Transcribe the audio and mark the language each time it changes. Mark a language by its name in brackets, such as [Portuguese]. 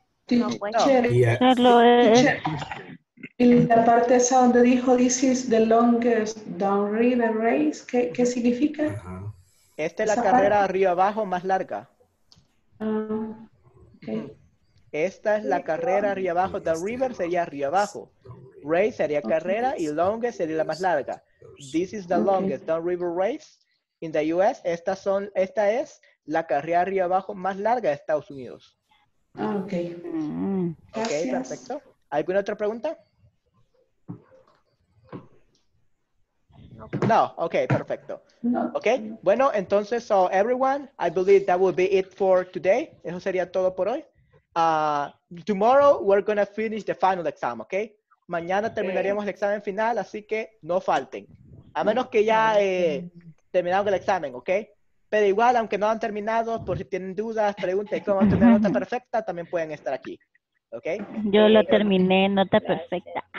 [Spanish] No. En la parte esa donde dijo, [English] this is the longest downriver race, [Spanish] ¿qué significa? Esta es la carrera río abajo más larga. Okay. Esta es la carrera río abajo. [English] The river [Spanish] sería río abajo. Race sería carrera y longest sería la más larga. [English] This is the longest down river race in the US. [Spanish] Esta es la carrera río abajo más larga de Estados Unidos. Okay. Okay, perfecto. ¿Alguna otra pregunta? No, okay, perfecto. Okay, bueno, entonces, [English] so everyone, I believe that will be it for today. [Spanish] Eso sería todo por hoy. [English] Tomorrow, we're going to finish the final exam, okay? [Spanish] Mañana terminaríamos el examen final, así que no falten. A menos que ya terminaron el examen, okay? Pero igual, aunque no han terminado, por si tienen dudas, preguntas, cómo van a tener nota perfecta, también pueden estar aquí. Okay. Yo lo terminé, nota perfecta.